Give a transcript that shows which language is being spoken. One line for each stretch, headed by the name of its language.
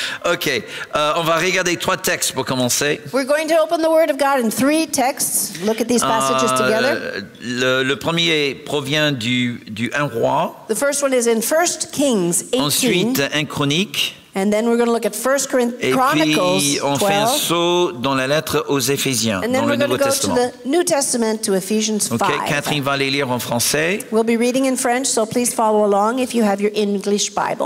French: OK, on va regarder trois textes pour commencer.
English: We're going to open the Word of God in three texts. Look at these passages together.
French: Le premier provient du 1 roi.
English: The first one is in 1 Kings 18.
French: Ensuite, 1 Chronique.
English: And then we're going to look at 1 Chronicles 12.
French: Et puis, on fait un saut dans la lettre aux Éphésiens, dans le Nouveau Testament.
English: And then we're going to go to the New Testament, to Ephesians 5.
French: OK, Catherine va les lire en français.
English: We'll be reading in French, so please follow along if you have your English Bible.